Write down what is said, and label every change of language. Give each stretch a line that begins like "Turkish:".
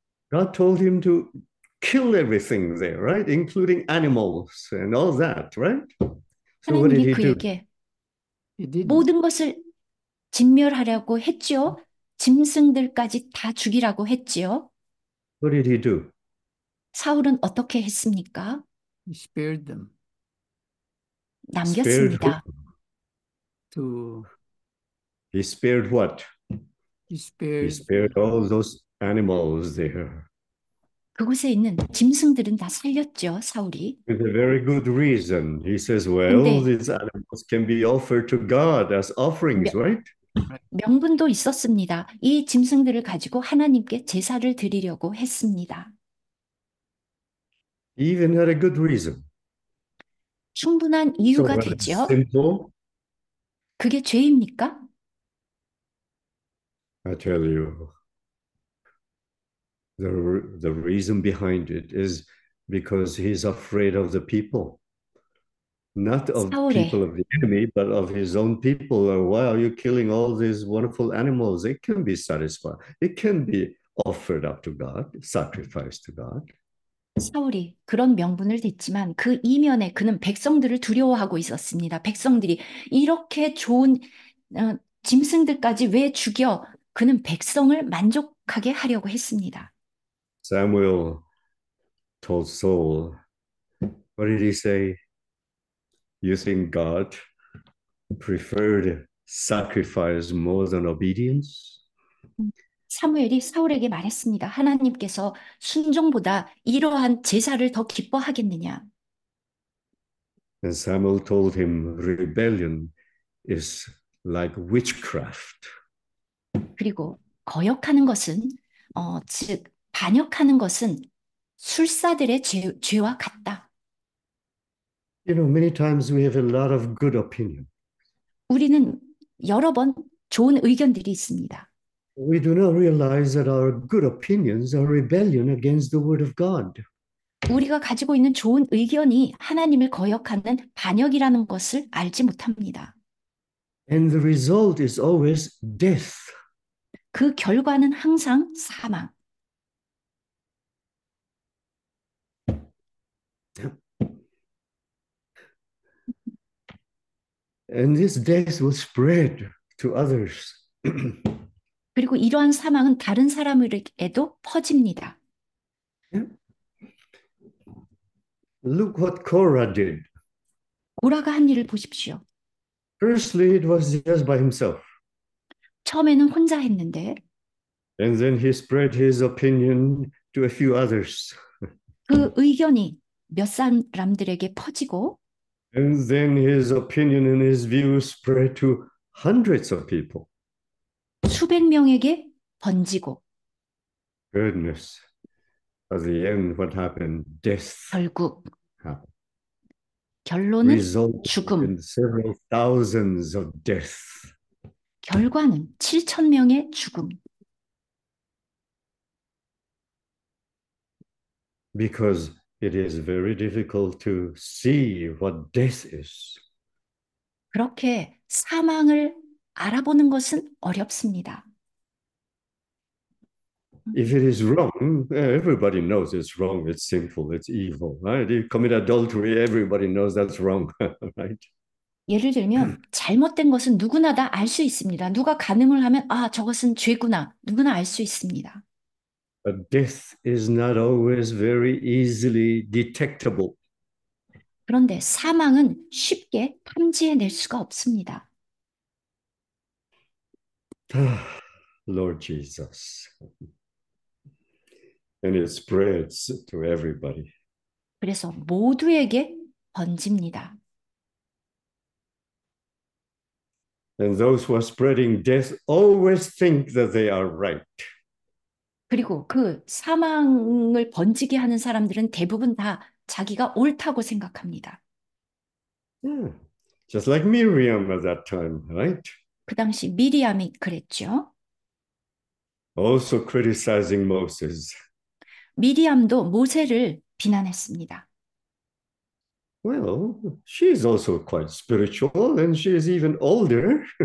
English: God told him to kill everything there, right? Including animals and all that, right? So what did
Korean: 하나님이
English: he do?
Korean: 그에게
English: He didn't.
Korean: 모든 것을 진멸하려고 했지요. 짐승들까지 다 죽이라고 했지요.
English: What did he do?
Korean: 사울은 어떻게 했습니까?
English: He spared them.
Korean: 남겼습니다.
English: He spared what? He He spared. spared all those animals there.
Korean: 그곳에 있는 짐승들은 다 살렸죠, 사울이.
English: With a very good reason. He says, well,
Korean: 근데
English: these animals can be offered to God as offerings, right?
Korean: 명분도 있었습니다. 이 짐승들을 가지고 하나님께 제사를 드리려고 했습니다.
English: He even had a good reason.
Korean: 충분한
English: So,
Korean: 이유가
English: what is
Korean: 되죠?
English: simple?
Korean: 그게 죄입니까?
English: I tell you, the reason behind it is because he's afraid of the people. Not of people of the enemy, but of his own people. Or why are you killing all these wonderful animals? It can be satisfied. It can be offered up to God, sacrificed to God.
Korean: 사울이 그런 명분을 듣지만 그 이면에 그는 백성들을 두려워하고 있었습니다. 백성들이 이렇게 좋은 짐승들까지 왜 죽여? 그는 백성을 만족하게 하려고 했습니다.
English: Samuel told Saul, what did he say? You think God preferred sacrifice more than obedience?
Korean: 사무엘이 사울에게 말했습니다. 하나님께서 순종보다 이러한 제사를 더 기뻐하겠느냐?
English: And Samuel told him, rebellion is like witchcraft.
Korean: 그리고 거역하는 것은, 즉 반역하는 것은 술사들의 죄와 같다.
English: You know, many times we have a lot of good opinion.
Korean: 우리는 여러 번 좋은 의견들이 있습니다.
English: We do not realize that our good opinions are rebellion against the word of God.
Korean: 우리가 가지고 있는 좋은 의견이 하나님을 거역하는 반역이라는 것을 알지 못합니다.
English: And the result is always death.
Korean: 그 결과는 항상 사망.
English: And this death will spread to others.
Korean: 그리고 이러한 사망은 다른 사람에게도 퍼집니다.
English: Look what Korah did.
Korean: 고라가 한 일을 보십시오.
English: Firstly, it was just by himself.
Korean: 처음에는 혼자 했는데
English: And then he spread his opinion to a few others.
Korean: 그 의견이 몇 사람들에게 퍼지고
English: And then his opinion and his views spread to hundreds of people.
Korean: 수백 명에게 번지고
English: Goodness. At the end, what happened? Death
Korean: 결국
English: happened.
Korean: 결론은
English: Resulted
Korean: 죽음.
English: in several thousands of deaths.
Korean: 결과는 7,000명의 죽음.
English: Because it is very difficult to see what death is.
Korean: 그렇게 사망을 알아보는 것은 어렵습니다.
English: If it is wrong, everybody knows it's wrong, it's sinful, it's evil, right? If you commit adultery, everybody knows that's wrong,
Korean: 예를
English: right?
Korean: 들면 잘못된 것은 누구나 다알수 있습니다. 누가 가늠을 하면 아, 저것은 죄구나. 누구나 알수 있습니다.
English: But death is not always very easily detectable.
Korean: 그런데 사망은 쉽게 탐지해낼 수가 없습니다.
English: Lord Jesus. And it spreads to everybody.
Korean: 그래서 모두에게 번집니다.
English: And those who are spreading death always think that they are right.
Korean: 그리고 그 사망을 번지게 하는 사람들은 대부분 다 자기가 옳다고 생각합니다.
English: Just like Miriam at that time, right?
Korean: 그 당시 미리암이 그랬죠.
English: Also criticizing Moses.
Korean: 미리암도 모세를 비난했습니다.
English: Well, she's also quite spiritual and she's even older.